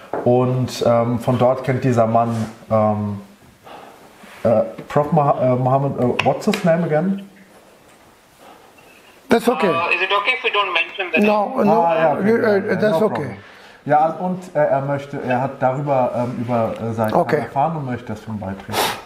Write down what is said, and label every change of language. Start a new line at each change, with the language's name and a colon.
German: Und von dort kennt dieser Mann Prof.
English: Mohammed, what's his name again? That's okay. Is it okay if we don't mention that? No, that's okay.
German: Ja, und er möchte, er hat darüber über sein okay. erfahren und möchte das schon beitreten.